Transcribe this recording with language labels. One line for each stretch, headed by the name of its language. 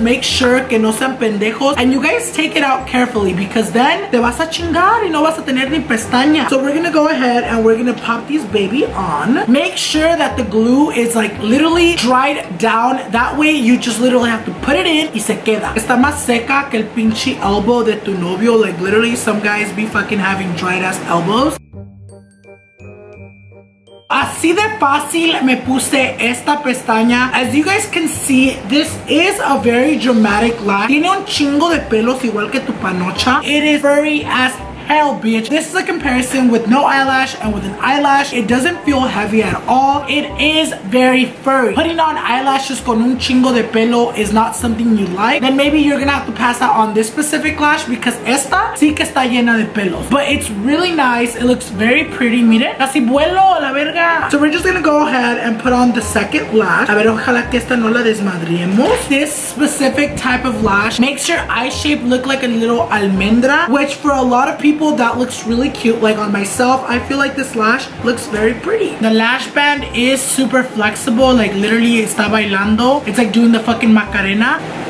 English: Make sure
Spanish: que no sean pendejos.
English: And you guys take it out carefully, because then
Spanish: te vas a chingar y no vas a tener ni pestaña.
English: So we're gonna go ahead and we're gonna pop these baby on. Make sure that the glue is like literally dried down. That way you just literally have to put it in
Spanish: y se queda. Está más seca que el pinche elbow de tu novio.
English: Like literally some guys be fucking having dried ass elbows.
Spanish: Así de fácil me puse esta pestaña.
English: As you guys can see, this is a very dramatic lash.
Spanish: Tiene un chingo de pelos igual que tu panocha.
English: It is furry as hell, bitch. This is a comparison with no eyelash and with an eyelash. It doesn't feel heavy at all. It is very furry. Putting on eyelashes
Spanish: con un chingo de pelo
English: is not something you like. Then maybe you're gonna have to pass out on this specific lash, because
Spanish: esta sí que está llena de pelos.
English: But it's really nice. It looks very pretty.
Spanish: Mire. Casi vuelo la verga.
English: So we're just gonna go ahead and put on the second lash.
Spanish: A ver, ojalá que esta no la desmadriemos.
English: This specific type of lash makes your eye shape look like a little almendra, which for a lot of people that looks really cute. Like on myself, I feel like this lash looks very pretty. The lash band is super flexible. Like literally
Spanish: está bailando.
English: It's like doing the fucking Macarena.